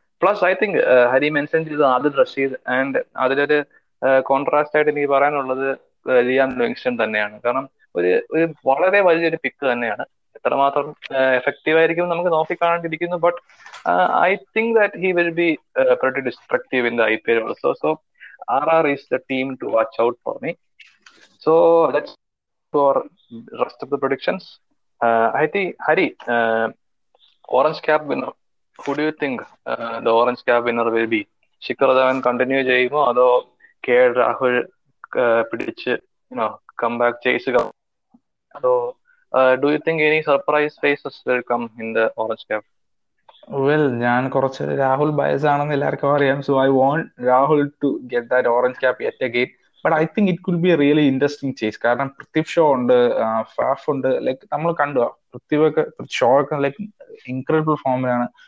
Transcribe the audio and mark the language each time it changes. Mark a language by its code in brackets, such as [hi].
[en] plus I think [ml] Hari mention ചെയ്ത് Adil Rasheed and അതിലൊരു contrast ആയിട്ട് എനിക്ക് പറയാനുള്ളത് ലിയാൻ ലിവിങ്സ്റ്റൺ തന്നെയാണ്. കാരണം ഒരു ഒരു വളരെ വലിയൊരു പിക്ക് തന്നെയാണ്, എത്രമാത്രം എഫക്റ്റീവ് ആയിരിക്കും നമുക്ക് നോക്കി കാണേണ്ടിയിരിക്കുന്നു. [en] But I think that he will be pretty destructive in the I P L also. So R R is the team to watch out for me. So let's go for rest of the predictions. I think Hari, orange cap winner. Who do you think the orange cap winner will be? Shikhar Dhawan continue [ml] jayimo, adho [en] KL Rahul [ml] pidichu, [en] you know, come back chase. So do you think any surprise faces will come in the orange cap? Well, [ml] ഞാൻ കുറച്ച് Rahul bias ആണെന്ന് എല്ലാവർക്കും അറിയാം. [en] So I won't Rahul to get that orange cap yet again. But I think it could be a really interesting chase. [ml] കാരണം Prithvi show ഉണ്ട്, Faf ഉണ്ട്, [en] like [ml] നമ്മൾ കണ്ടു പൃഥ്വിയൊക്കെ ഷോ ഒക്കെ [en] Like incredible ഫോമിലാണ്.